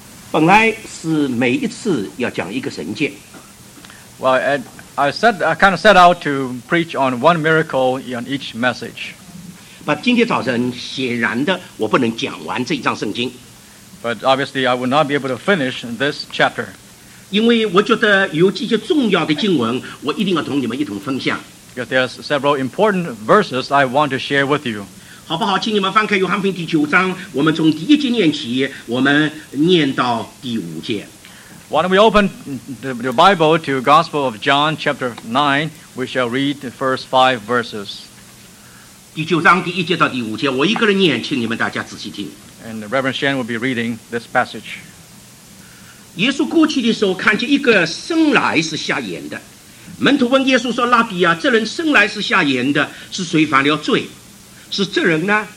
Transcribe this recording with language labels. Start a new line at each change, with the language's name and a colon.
Chinese: 本来是每一次要讲一个神迹。
English: Well, I kind of set out to preach on one miracle in each message.
Chinese: But 今天早晨显然的，我不能讲完这一章圣经。
English: But obviously, I would not be able to finish this chapter.
Chinese: 因为我觉得有几些重要的经文，我一定要同你们一同分享。
English: Because there are several important verses I want to share with you.
Chinese: 好不好？请你们翻开《约翰福音》第九章，我们从第一节念起，我们念到第五节。
English: Why don't we open the Bible to Gospel of John chapter 9? We shall read the first five verses.
Chinese: 第九章第一节到第五节，我一个人念，请你们大家仔细听。
English: And Reverend Shen will be reading this passage.
Chinese: 耶稣过去的时候，看见一个生来是瞎眼的。门徒问耶稣说：“拉比啊，这人生来是瞎眼的，是谁犯了罪？是这人呢？